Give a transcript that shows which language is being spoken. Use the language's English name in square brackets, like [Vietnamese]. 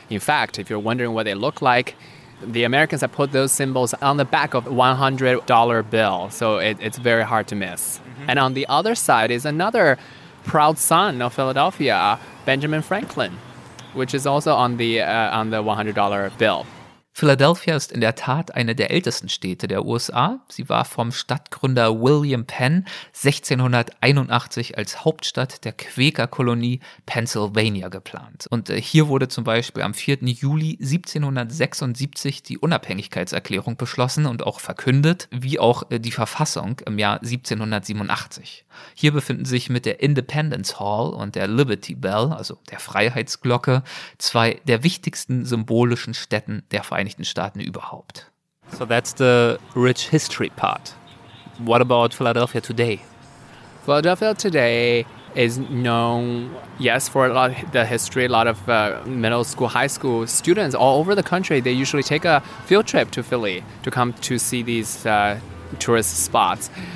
[English] In fact, if you're wondering what they look like, the Americans have put those symbols on the back of $100 bill, so it's very hard to miss. Mm-hmm. And on the other side is another proud son of Philadelphia, Benjamin Franklin, which is also on the $100 bill. [German] Philadelphia ist in der Tat eine der ältesten Städte der USA. Sie war vom Stadtgründer William Penn 1681 als Hauptstadt der Quäkerkolonie Pennsylvania geplant. Und hier wurde zum Beispiel am 4. Juli 1776 die Unabhängigkeitserklärung beschlossen und auch verkündet, wie auch die Verfassung im Jahr 1787. Hier befinden sich mit der Independence Hall und der Liberty Bell, also der Freiheitsglocke, zwei der wichtigsten symbolischen Stätten der Vereinigten Staaten überhaupt. [English] So that's the rich history part. What about Philadelphia today? Philadelphia today is known, yes, for a lot of the history. A lot of middle school, high school students all over the country, they usually take a field trip to Philly to come to see these tourist spots.